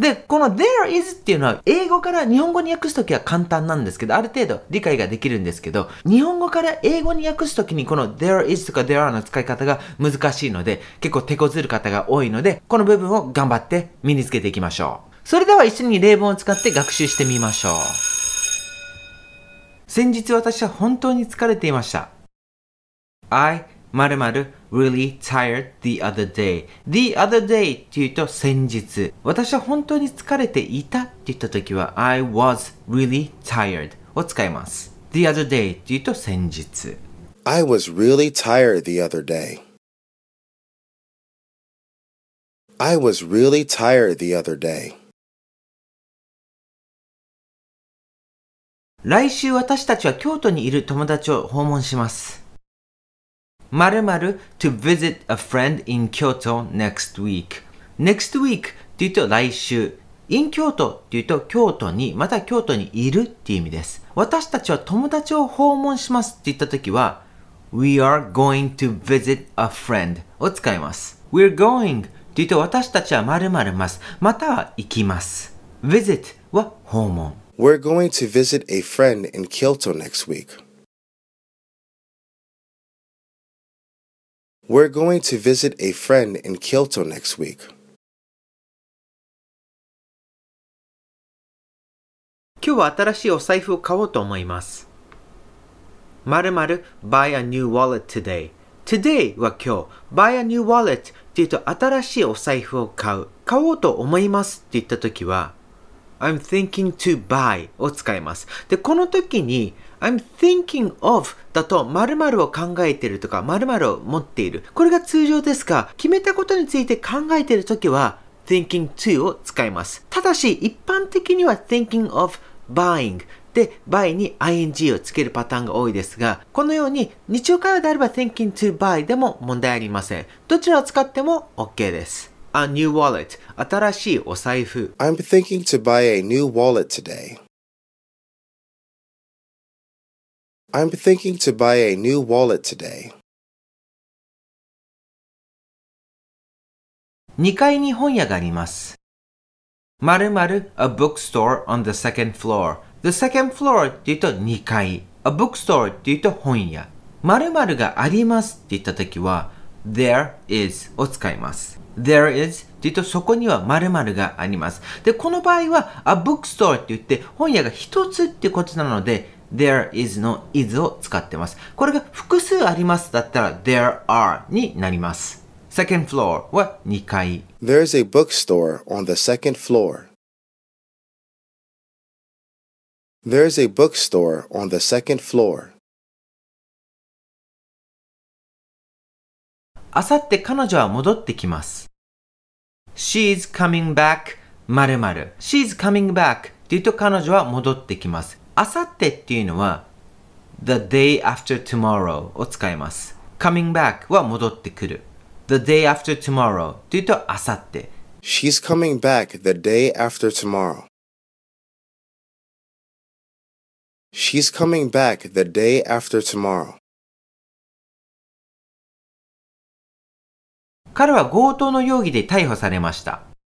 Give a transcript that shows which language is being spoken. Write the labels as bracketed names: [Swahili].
[Japanese] で、この there is っていうのは英語から日本語に訳すときは簡単なんですけど、ある程度理解ができるんですけど、日本語から英語に訳すときにこの there is とか there are の使い方が難しいので、結構手こずる方が多いので、この部分を頑張って身につけていきましょう。それでは一緒に例文を使って学習してみましょう。先日私は本当に疲れていました。 [English] I〇〇Really tired the other day. [Japanese] The other day っていうと先日。私は本当に疲れていたって言った時は I was really tired を使います。 The other day っていうと先日。 [English] I was really tired the other day. I was really tired the other day. [Japanese] 来週私たちは京都にいる友達を訪問します。〇〇 [English] to visit a friend in Kyoto next week. [Japanese] Next week というと来週。 in Kyoto というと京都に、また京都にいるという意味です。私たちは友達を訪問しますって言ったときは、 [English] We are going to visit a friend を使います。 [Japanese] We're going というと私たちは〇〇ます、または行きます。 visit は訪問。 [English] We're going to visit a friend in Kyoto next week. We're going to visit a friend in Kyoto next week. [Japanese] 今日は新しいお財布を買おうと思います。〇〇 [English] buy a new wallet today. [Japanese] Today は今日。 buy a new wallet っていうと新しいお財布を買う。買おうと思いますって言ったときは、 [English] I'm thinking to buy を使います。 [Japanese] で、この時に、 I'm thinking of だと〇〇を考えているとか〇〇を持っている、これが通常ですが、決めたことについて考えているときは thinking to を使います。ただし一般的には thinking of buying で buy に ing をつけるパターンが多いですが、このように日常会話であれば thinking to buy でも問題ありません。どちらを使っても OK です。 A new wallet 新しいお財布。 [English] I'm thinking to buy a new wallet todayI'm thinking to buy a new wallet today. [Japanese] 2階に本屋があります。 [English] 〇〇 a bookstore on the second floor. [Japanese] The second floor って言うと2階。 a bookstore って言うと本屋。〇〇がありますって言ったときは there is を使います。 [English] there is [Japanese] って言うとそこには〇〇があります。で、この場合は a bookstore って言って本屋が一つってことなので there is の is を使ってます。これが複数ありますだったら there are になります。 second floor は2階。 [English] There is a bookstore on the second floor. There is a bookstore on the second floor. [Japanese] 明後日彼女は戻ってきます。 [English] She's coming back 〇〇。 [Japanese] She's coming back って言うと彼女は戻ってきます。明後日っていうのは [English] The day after tomorrow を使います。 [Japanese] Coming back は戻ってくる。 [English] The day after tomorrow [Japanese] というと明後日。 [English] She's coming back the day after tomorrow. She's coming back the day after tomorrow. [Japanese] 彼は強盗の容疑で逮捕されました。